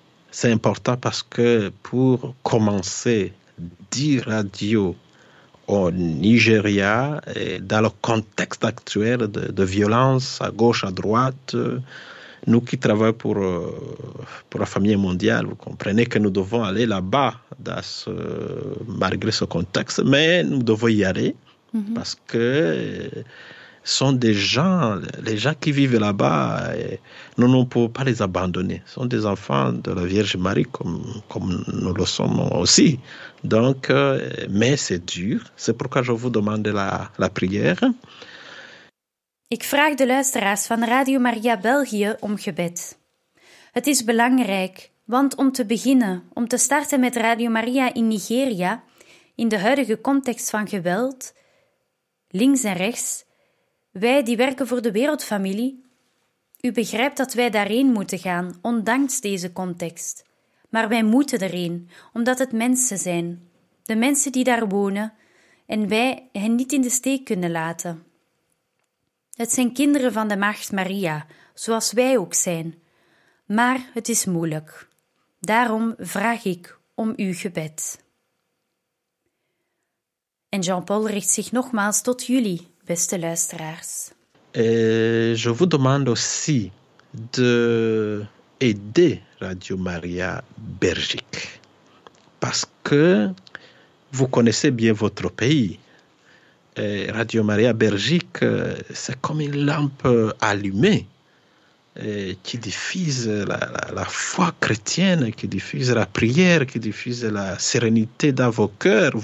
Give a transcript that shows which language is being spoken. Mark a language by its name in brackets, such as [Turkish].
[French] C'est important parce que pour commencer 10 radios au Nigeria, et dans le contexte actuel de violence à gauche, à droite, nous qui travaillons pour la famille mondiale, vous comprenez que nous devons aller là-bas dans ce, malgré ce contexte, mais nous devons y aller parce que ce sont des gens, les gens qui vivent là-bas, et nous ne pouvons pas les abandonner. Ce sont des enfants de la Vierge Marie, comme nous le sommes aussi. Donc, mais c'est dur. C'est pourquoi je vous demande la prière. [Dutch] Ik vraag de luisteraars van Radio Maria België om gebed. Het is belangrijk, want om te beginnen, om te starten met Radio Maria in Nigeria, in de huidige context van geweld, links en rechts, wij die werken voor de wereldfamilie, u begrijpt dat wij daarheen moeten gaan, ondanks deze context. Maar wij moeten erheen, omdat het mensen zijn, de mensen die daar wonen, en wij hen niet in de steek kunnen laten. Het zijn kinderen van de Maagd Maria, zoals wij ook zijn. Maar het is moeilijk. Daarom vraag ik om uw gebed. En Jean-Paul richt zich nogmaals tot jullie, beste luisteraars. [French] Je vous demande aussi de aider Radio Maria Belgique. Parce que vous connaissez bien votre pays. Et Radio Maria Belgique, c'est comme une lampe allumée qui diffuse la foi chrétienne, qui diffuse la prière, qui diffuse la sérénité dans vos cœurs.